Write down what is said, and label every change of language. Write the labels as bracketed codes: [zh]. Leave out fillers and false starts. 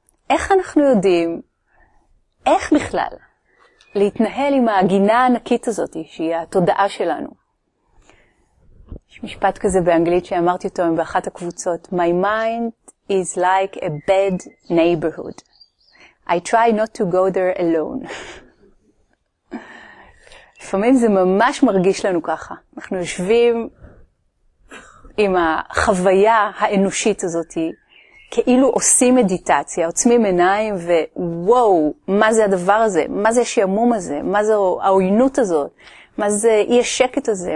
[he] איך אנחנו יודעים, איך בכלל להתנהל עם הגינה הענקית הזאת, שהיא התודעה שלנו? יש משפט כזה באנגלית שאמרתי אותו באחת הקבוצות, [en] My mind is like a bad neighborhood. I try not to go there alone. [he] לפעמים זה ממש מרגיש לנו ככה. אנחנו יושבים עם החוויה האנושית הזאת, כאילו עושים מדיטציה, עוצמים עיניים ווואו, מה זה הדבר הזה? מה זה השעמום הזה? מה זה העוינות הזאת? מה זה אי השקט הזה?